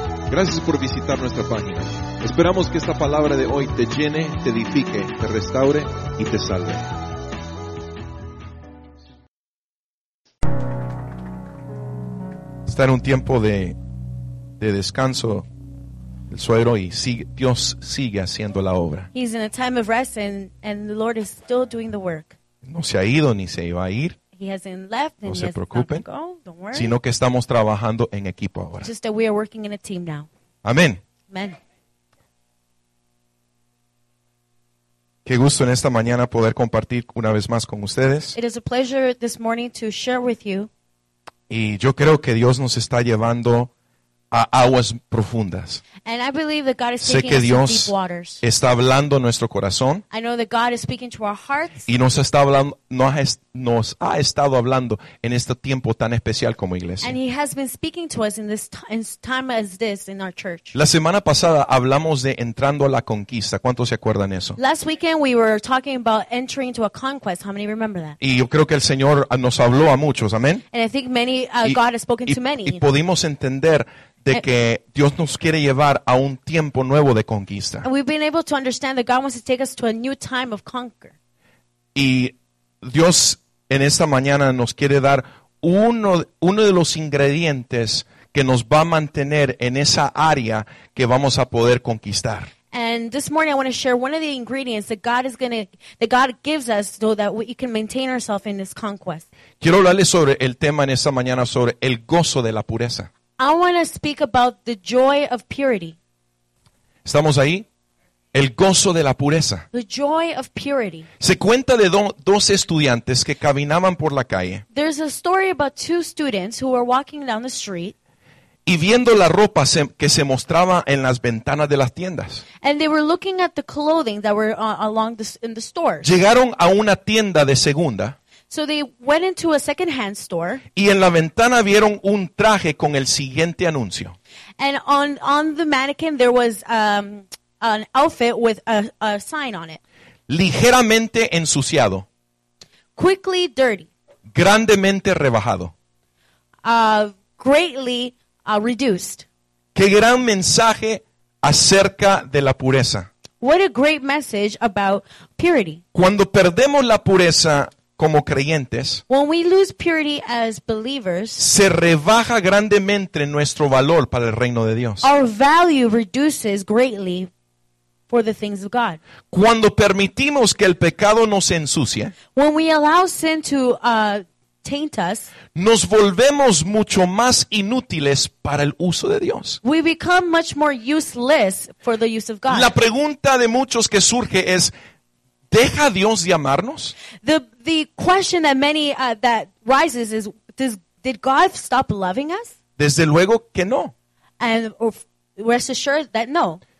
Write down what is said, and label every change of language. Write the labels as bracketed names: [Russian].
[Spanish] Gracias por visitar nuestra página. Esperamos que esta palabra de hoy te llene, te edifique, te restaure y te salve. Está en un tiempo de descanso el suegro y sigue, Dios sigue haciendo la obra. [English] He's in a time of rest and the Lord is still doing the work. [Spanish] No se ha ido ni se iba a ir. [English] He hasn't left, [Spanish] no [English] he [Spanish] se [English] has [Spanish] preocupen, [English] not gone. Don't worry. [Spanish] Sino que estamos trabajando en equipo ahora. [English] Just that we are working in a team now. [Spanish] Amén. [English] Amen. [Spanish] Qué gusto en esta mañana poder compartir una vez más con ustedes. [English] It is a pleasure this morning to share with you. [Spanish] Y yo creo que Dios nos está llevando a aguas profundas. [English] And I believe that God is [Spanish] sé [English] taking [Spanish] que Dios [English] deep waters. [Spanish] Está hablando a nuestro corazón. [English] I know that God is speaking to our hearts. [Spanish] Y nos está hablando, nos ha estado hablando en este tiempo tan especial como iglesia. [English] And he has been speaking to us in this time as this in our church. [Spanish] La semana pasada hablamos de entrando a la conquista. ¿Cuántos se acuerdan eso? [English] Last weekend we were talking about entering to a conquest. How many remember that? [Spanish] Y yo creo que el Señor nos habló a muchos. Amén. [English] And I think many God has spoken to many. [Spanish] Y pudimos entender de que Dios nos quiere llevar a un tiempo nuevo de conquista. [English] And we've been able to understand that God wants to take us to a new time of conquer. [Spanish] Y Dios en esta mañana nos quiere dar uno de los ingredientes que nos va a mantener en esa área que vamos a poder conquistar. [English] And this morning I want to share one of the ingredients that God gives us so that we can maintain ourselves in this conquest. [Spanish] Quiero hablarles sobre el tema en esta mañana sobre el gozo de la pureza. [English] I want to speak about the joy of purity. [Spanish] ¿Estamos ahí? El gozo de la pureza. [English] The joy of purity. [Spanish] Se cuenta de dos estudiantes que caminaban por la calle. [English] There's a story about two students who were walking down the street. [Spanish] Y viendo la ropa que se mostraba en las ventanas de las tiendas. [English] And they were looking at the clothing that were along in the stores. [Spanish] Llegaron a una tienda de segunda. [English] So they went into a second-hand store. [Spanish] Y en la ventana vieron un traje con el siguiente anuncio. [English] And on the mannequin there was an outfit with a sign on it. [Spanish] Ligeramente ensuciado. [English] Quickly dirty. [Spanish] Grandemente rebajado. [English] Greatly reduced. [Spanish] Qué gran mensaje acerca de la pureza. [English] What a great message about purity. [Spanish] Cuando perdemos la pureza como creyentes, [English] when we lose purity as believers, [Spanish] se rebaja grandemente nuestro valor para el reino de Dios. [English] Our value reduces greatly for the things of God. [Spanish] Cuando permitimos que el pecado nos ensucie, [English] when we allow sin to taint us, [Spanish] nos volvemos mucho más inútiles para el uso de Dios. [English] We become much more useless for the use of God. [Spanish] La pregunta de muchos que surge es, ¿deja Dios de amarnos? [English] The question that many that rises is, did God stop loving us? [Spanish] Desde luego que no. [English] And rest assured that no.